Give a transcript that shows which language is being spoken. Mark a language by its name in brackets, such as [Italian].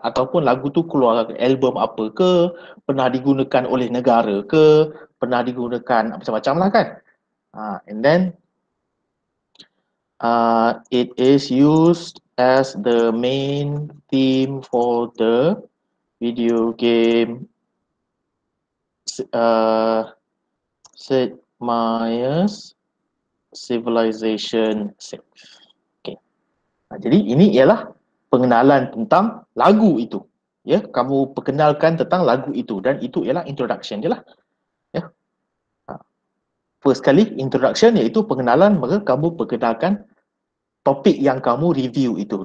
[Malay] Ataupun lagu tu keluar album apa ke? Pernah digunakan oleh negara ke? Pernah digunakan macam-macam lah kan? [English] And then it is used as the main theme for the video game Sid Meier's Civilization 6. [Malay] Jadi ini ialah pengenalan tentang lagu itu. Ya, kamu perkenalkan tentang lagu itu dan itu ialah introduction dia lah. Ya. First kali introduction iaitu pengenalan, maka kamu perkenalkan topik yang kamu review itu.